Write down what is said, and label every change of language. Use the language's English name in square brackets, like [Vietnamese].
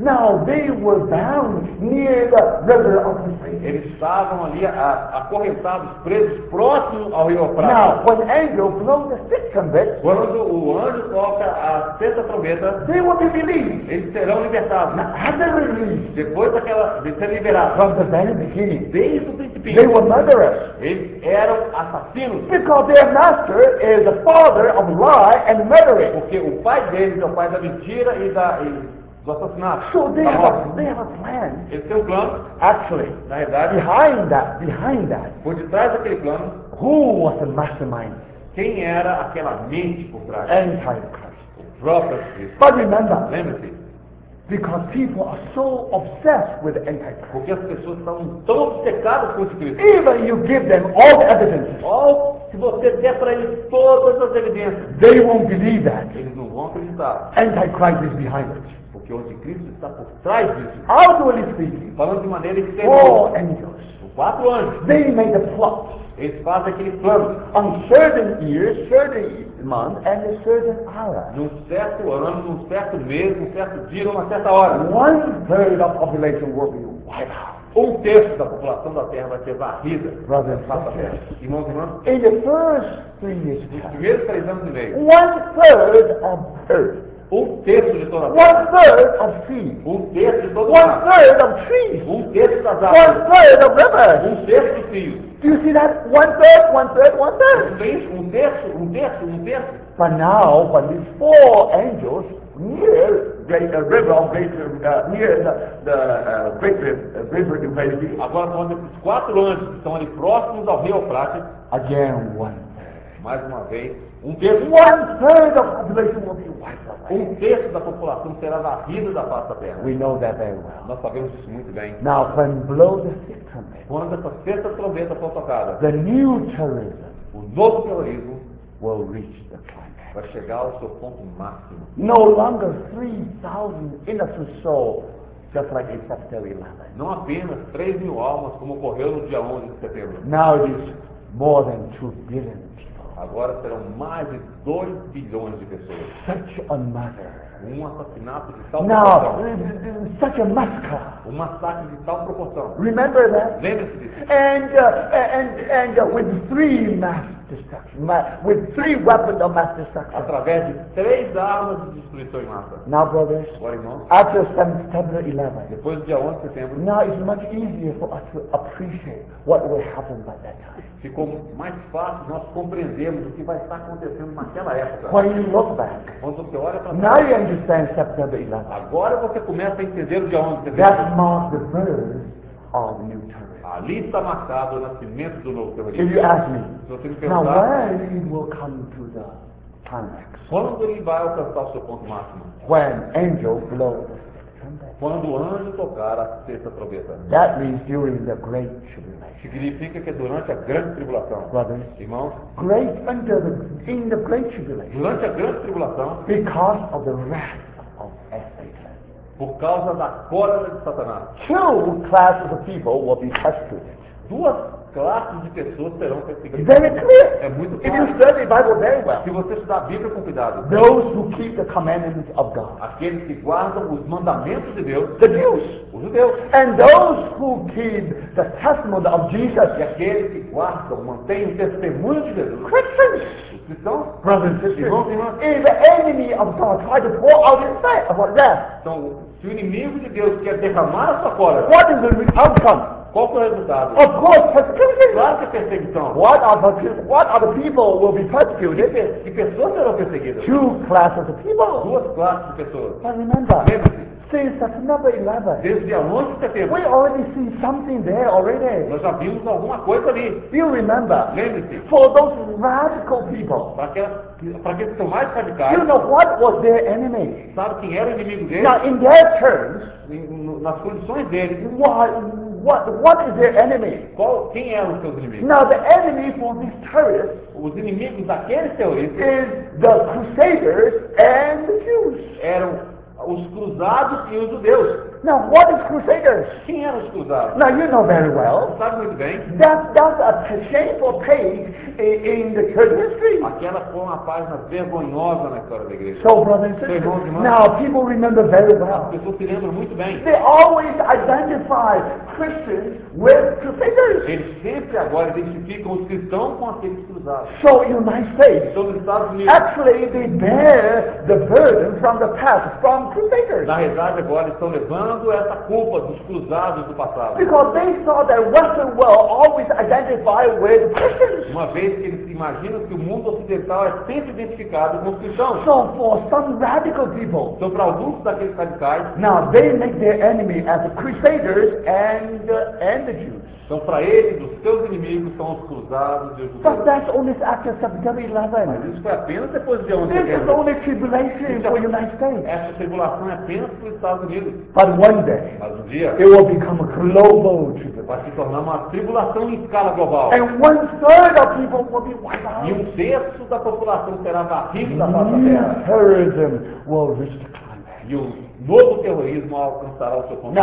[English] Now, they were bound near the river of the sea. [Portuguese] Eles estavam ali acorrentados, presos, próximo ao rio Eufrates. [English] Now, when angel blows the sixth trumpet, [Portuguese] quando o anjo toca a sexta trombeta, [English] they will be released. [Portuguese] Eles serão libertados. [English] Now, as they were released, [Portuguese] depois daquela, de ser liberado, [English] from the very beginning, [Portuguese] desde o princípio, [English] they were murderers. [Portuguese] Eles eram assassinos. [English] Because their master is the father of lie and murdering. [Portuguese] Porque o pai deles é o pai da mentira e da... do assassinato. [English] So they have a plan. [Portuguese] Eles têm um plano. [English] Actually, [Portuguese] na verdade, [English] behind that. [Portuguese] Por detrás daquele plano. [English] Who was the mastermind? [Portuguese] Quem era aquela mente por trás? [English] Antichrist. [Portuguese] O próprio Cristo. [English] But remember. [Portuguese] Lembre-se. [English] Because people are so obsessed with Antichrist. [Portuguese] Porque as pessoas estão tão obcecadas com o Anticristo. [English] Even you give them all the evidences. [Portuguese] Se você der para eles todas as evidências. [English] They won't believe that. [Portuguese] Eles não vão acreditar. [English] Antichrist is behind it. [Portuguese] Porque o Anticristo está por trás disso. [English] Outwardly speaking. [Portuguese] Falando de maneira que tem. [English] Four angels. [Portuguese] Quatro anjos. [English] They made a plot. [Portuguese] Eles fazem aquele plano. [English] On certain years, certain month, and a certain hour. [Portuguese] Num certo ano, num certo mês, num certo dia, numa certa hora. [English] One third of population will be wiped out. [Portuguese] Um terço da população da Terra vai ser varrida. [English] Brothers, [Portuguese] irmãos e irmãs. [English] In the first 3 years. [Portuguese] Nos primeiros 3 anos e meio. [English] One third of earth. [Portuguese] Um terço de toda a terra. [English] One third of sea. [Portuguese] Um terço de toda a terra. [English] One third of trees. [Portuguese] Um terço das árvores. [English] One third of rivers. [Portuguese] Um terço do fio. [English] Do you see that? One third. [Portuguese] Um terço. [English] But now, when these four angels near the river of great, near the great river in Paris. [Portuguese] Agora, quando esses quatro anjos estão ali próximos ao rio Eufrates. [English] Again, one. [Portuguese] Mais uma vez, um terço. [English] One third of population will be wiped away. [Portuguese] Um terço da população será varrida da face da terra. [English] We know that very well. [Portuguese] Nós sabemos isso muito bem. [English] Now, when blow the sixth trumpet, [Portuguese] quando essa sexta trombeta for tocada, [English] the new terrorism, [Portuguese] o novo terrorismo, [English] will reach the climax. [Portuguese] Vai chegar ao seu ponto máximo. [English] No longer 3,000 innocent souls, just like in September 11. [Portuguese] Não apenas 3 mil almas, como ocorreu no dia 11 de setembro. [English] Now it is more than 2 billion. [Portuguese] Agora serão mais de 2 bilhões de pessoas. [English] Such a mother. [Portuguese] Um assassinato de tal proporção. [English] Such a massacre. [Portuguese] um massacre de tal proporção. [English] Remember that? [Portuguese] Lembre-se disso. [English] With three mass destruction, with three weapons of mass destruction. [Portuguese] Através de três armas de destruição em massa. [English] Now, brothers. [Portuguese] Agora, irmãos. [English] After September 11. [Portuguese] Depois do dia 11 de setembro. [English] Now it's much easier for us to appreciate what will happen by that time. [Portuguese] Ficou mais fácil nós compreendermos o que vai estar acontecendo naquela época. [English] When you look back. [Portuguese] Quando você olha para trás. [English] Now you understand September 11. [Portuguese] Agora você começa a entender o dia 11 de setembro. [English] That marks the birth of new terrorism. [Portuguese] Ali está marcado o nascimento do novo terrorismo. [English] If you ask me, now when it will come to the climax? [Portuguese] Quando ele vai alcançar o seu ponto máximo? [English] When angel blows the trumpet. [Portuguese] Quando o anjo tocar a sexta trombeta. [English] That means during the great tribulation. [Portuguese] Significa que é durante a grande tribulação. [English] Brothers, [Portuguese] irmãos, [English] great under the in the great tribulation. [Portuguese] Durante a grande tribulação. [English] Because of the wrath of Satan. [Portuguese] Por causa da cólera de Satanás. [English] Two classes of people will be tested. [Portuguese] Duas classes de pessoas serão testadas. [English] Very clear. [Portuguese] É muito claro. [English] If you study the Bible very well. [Portuguese] Se você estudar a Bíblia com cuidado. [English] Those who keep the commandments of God. [Portuguese] Aqueles que guardam os mandamentos de Deus. [English] The Jews. [Portuguese] Os judeus. [English] And those who keep the testimony of Jesus. [Portuguese] E aqueles que guardam, mantêm o testemunho de Jesus. [English] Christians. [Portuguese] Então, [English] brothers and sisters, the enemy of God try to pour out his wrath about that. [Portuguese] Então, se o inimigo de Deus quer derramar a sua cólera, [English] what is the outcome? [Portuguese] Qual foi o resultado? [English] Of course, persecution. [Portuguese] Claro que é perseguição. [English] What are the people will be persecuted? [Portuguese] Que pessoas serão perseguidas? [English] Two classes of people. [Portuguese] Duas classes de pessoas. [English] But remember. [Portuguese] Lembre-se. [English] Since September 11. [Portuguese] Desde dia 11 de setembro. [English] We already see something there already. [Portuguese] Nós já vimos alguma coisa ali. [English] You remember? [Portuguese] Lembre-se. [English] For those radical people. [Portuguese] Para aqueles que são mais radicais. [English] You know what was their enemy? [Portuguese] Sabe quem era o inimigo deles? [English] Now in their terms. [Portuguese] Nas condições deles. [English] What is their enemy? [Portuguese] Quem é o seu inimigo? [English] Now the enemy for these terrorists. [Portuguese] Os inimigos daqueles terroristas. [English] Is the crusaders and the Jews. [Portuguese] Eram os cruzados e os judeus. [English] Now, what is crusaders? [Portuguese] Quem eram os cruzados? [English] Now, you know very well. [Portuguese] Sabe muito bem. [English] That's a shameful page in the church history. [Portuguese] Aquela foi uma página vergonhosa na história da igreja. [English] So, brothers and sisters, now people remember very well. [Portuguese] As pessoas se lembram muito bem. [English] They always identify Christians with crusaders. [Portuguese] Eles sempre agora identificam os cristãos com aqueles cruzados. [English] So, United States. [Portuguese] Então, nos Estados Unidos. [English] Actually, they bear the burden from the past, from crusaders. [Portuguese] Na realidade, agora estão levando essa culpa dos cruzados do passado. [English] Because they saw that Western world always identified with Christians. [Portuguese] Uma vez que eles imaginam que o mundo ocidental é sempre identificado com os cristãos. [English] So for some radical people. [Portuguese] Então para alguns daqueles radicais. [English] Now they make their enemy as the crusaders and the Jews. [Portuguese] Então para eles os seus inimigos são os cruzados e os judeus. [English] But that's only after September 11. [Portuguese] Mas isso foi apenas depois de 11 de setembro. [English] This is only tribulation for the United States. [Portuguese] Essa tribulação é apenas para os Estados Unidos. [English] But one day, [Portuguese] mas um dia, [English] it will become a global tribulation. [Portuguese] Vai se tornar uma tribulação em escala global. [English] And one third of people will be wiped out. [Portuguese] E um terço da população será varrido da face da terra. [English] Terrorism will reach the climax. [Portuguese] E um novo terrorismo alcançará o seu ponto.